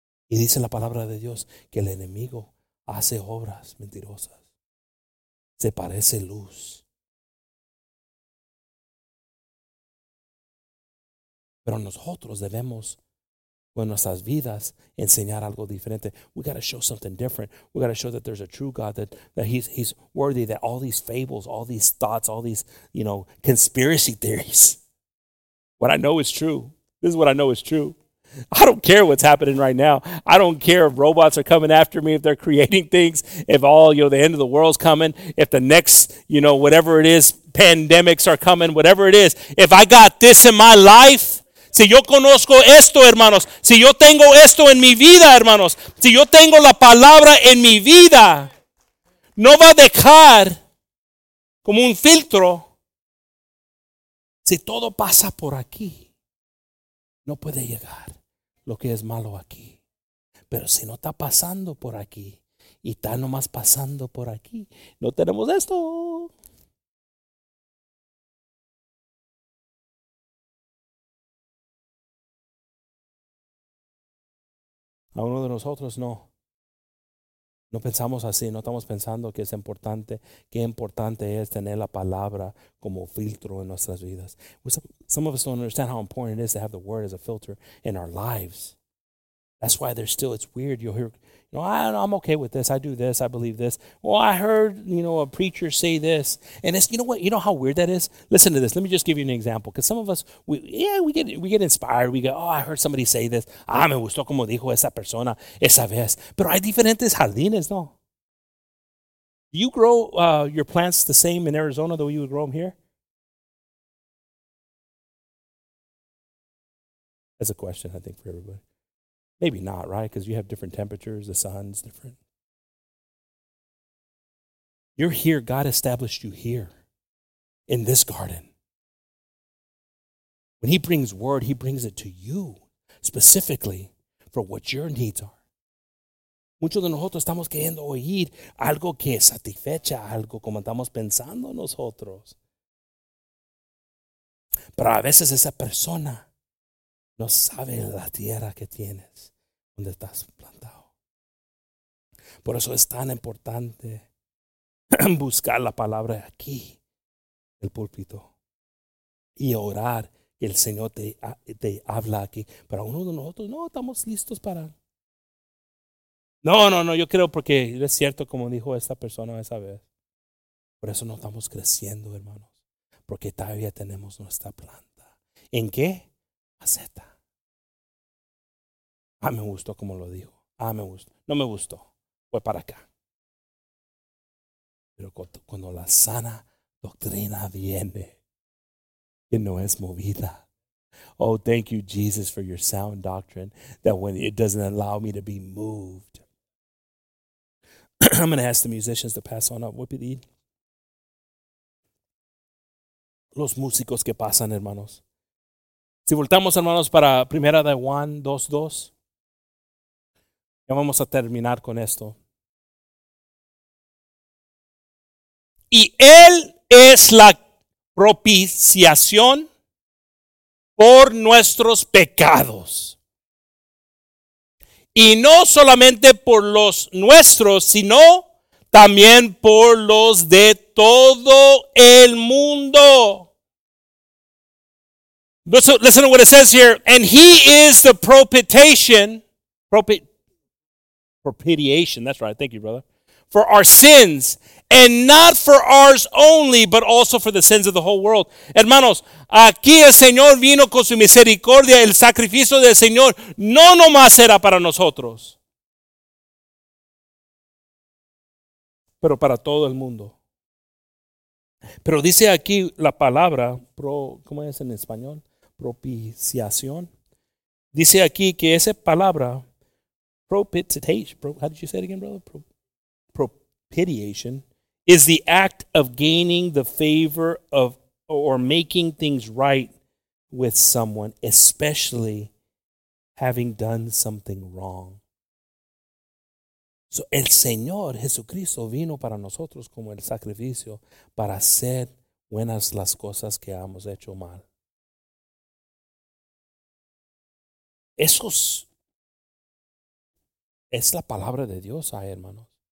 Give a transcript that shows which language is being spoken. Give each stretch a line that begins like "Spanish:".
Spanish: Y dice la palabra de Dios que el enemigo hace obras mentirosas. Se parece luz. Pero nosotros debemos, con nuestras vidas, enseñar algo diferente.
English: We got to show something different. We got to show that there's a true God, that he's worthy, that all these fables, all these thoughts, all these, you know, conspiracy theories. What I know is true. This is what I know is true. I don't care what's happening right now. I don't care if robots are coming after me, if they're creating things, if all, you know, the end of the world's coming, if the next, you know, whatever it is, pandemics are coming, whatever it is. If I got this in my life,
Spanish: si yo conozco esto, hermanos, si yo tengo esto en mi vida, hermanos, si yo tengo la palabra en mi vida, no va a dejar como un filtro. Si todo pasa por aquí, no puede llegar lo que es malo aquí. Pero si no está pasando por aquí y está nomás pasando por aquí, no tenemos esto. A uno de nosotros no pensamos así, no estamos pensando que es importante, qué importante es tener la palabra como filtro en nuestras vidas.
English: Some of us don't understand how important it is to have the word as a filter in our lives. That's why there's still, it's weird, you'll hear, you know, I'm okay with this, I do this, I believe this. Well, I heard, you know, a preacher say this. And it's, you know what, you know how weird that is? Listen to this, let me just give you an example. Because some of us, we get inspired. We go, oh, I heard somebody say this.
Spanish: Ah, me gustó como dijo esa persona esa vez. Pero hay diferentes jardines, ¿no?
English: Do you grow your plants the same in Arizona the way you would grow them here? That's a question, I think, for everybody. Maybe not, right? Because you have different temperatures. The sun's different. You're here. God established you here in this garden. When he brings word, he brings it to you specifically for what your needs are.
Spanish: Muchos de nosotros estamos queriendo oír algo que satisfecha, algo como estamos pensando nosotros. Pero a veces esa persona no sabe la tierra que tienes. Donde estás plantado. Por eso es tan importante buscar la palabra aquí, el púlpito, y orar que el Señor te habla aquí. Pero a uno de nosotros no estamos listos para. No, yo creo porque es cierto, como dijo esta persona esa vez. Por eso no estamos creciendo, hermanos. Porque todavía tenemos nuestra planta. ¿En qué? Maceta. Ah, me gustó como lo dijo. Ah, me gustó. No me gustó. Fue para acá. Pero cuando la sana doctrina viene, que no es movida.
English: Oh, thank you, Jesus, for your sound doctrine that when it doesn't allow me to be moved. I'm going to ask the musicians to pass on up. Whoopity.
Spanish: Los músicos que pasan, hermanos. Si voltamos, hermanos, para Primera de Juan 2:2. Ya vamos a terminar con esto. Y Él es la propiciación por nuestros pecados. Y no solamente por los nuestros, sino también por los de todo el mundo.
English: Listen to what it says here. And He is the propitiation. Propitiation, that's right. Thank you, brother. For our sins. And not for ours only, but also for the sins of the whole world.
Spanish: Hermanos, aquí el Señor vino con su misericordia. El sacrificio del Señor no nomás era para nosotros, pero para todo el mundo. Pero dice aquí la palabra, ¿cómo es en español? Propiciación. Dice aquí que esa palabra,
English: propitiation, how did you say it again, brother? Propitiation. Is the act of gaining the favor of or making things right with someone, especially having done something wrong.
Spanish: So el Señor Jesucristo vino para nosotros como el sacrificio para hacer buenas las cosas que hemos hecho mal. Eso es la palabra de Dios, ay, hermanos.